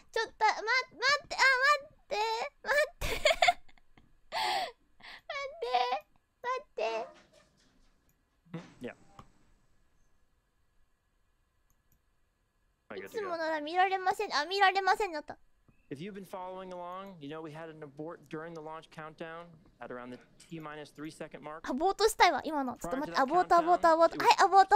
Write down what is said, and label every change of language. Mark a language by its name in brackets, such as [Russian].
[Japanese] ちょっと、待って、あ、待って、待って、待って。待って。 [English] Yeah. [Japanese] いつもなら見られません。あ、見られませんだった。 [English] If you've been following along, you know we had an abort during the launch countdown at around the T-minus 3-second mark. [Japanese] アボートしたいわ、今の。ちょっと待って、アボート、アボート、アボート。はい、アボート。